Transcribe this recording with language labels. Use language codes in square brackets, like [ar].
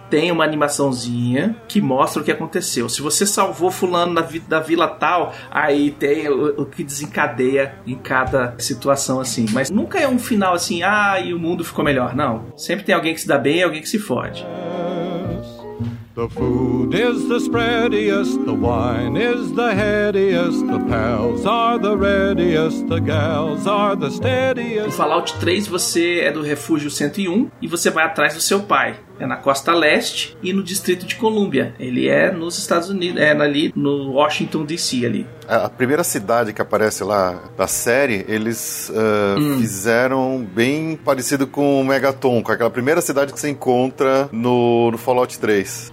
[pt] tem uma animaçãozinha que mostra o que aconteceu. Se você salvou fulano da vila tal, aí tem o que desencadeia em cada situação, assim. Mas nunca é um final assim, ah, e o mundo ficou melhor. Não. Sempre tem alguém que se dá bem e alguém que se fode. [en] The food is the spreadiest, the wine is the headiest, the pals are the readiest, the gals are the steadiest. [pt] No Fallout 3 você é do Refúgio 101 e você vai atrás do seu pai. É na costa leste e no distrito de Columbia. Ele é nos Estados Unidos, é ali no Washington DC ali. A primeira cidade que aparece lá da série, eles fizeram bem parecido com o Megaton, com aquela primeira cidade que você encontra no Fallout 3.